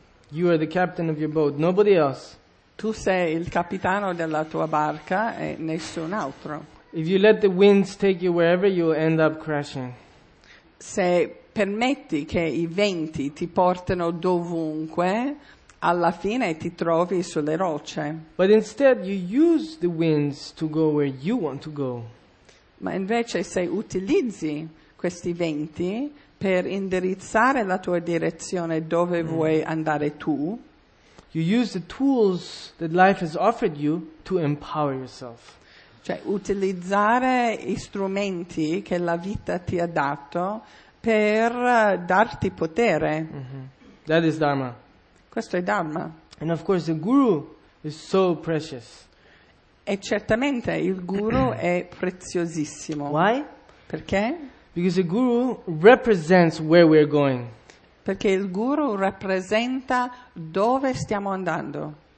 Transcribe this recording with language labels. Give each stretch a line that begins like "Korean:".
English: You are the captain of your boat, nobody else.
Italian: Tu sei il capitano della tua barca e nessun altro.
English: If you let the winds take you wherever, you will end up crashing.
Italian: Se permetti che i venti ti portino dovunque, alla fine ti trovi sulle rocce.
English: But instead you use the winds to go where you want to go.
Italian: Ma invece se utilizzi questi venti per indirizzare la tua direzione dove vuoi andare tu.
English: You use the tools that life has offered you to empower yourself.
Italian: Cioè utilizzare gli strumenti che la vita ti ha dato per darti potere.
English: That is Dharma.
Italian: Questo è Dharma.
English: And of course the guru is so precious.
Italian: E certamente il guru è preziosissimo.
English: Why?
Italian: Perché?
English: Because the guru represents where we're going.
Italian: Perché il guru rappresenta dove stiamo andando.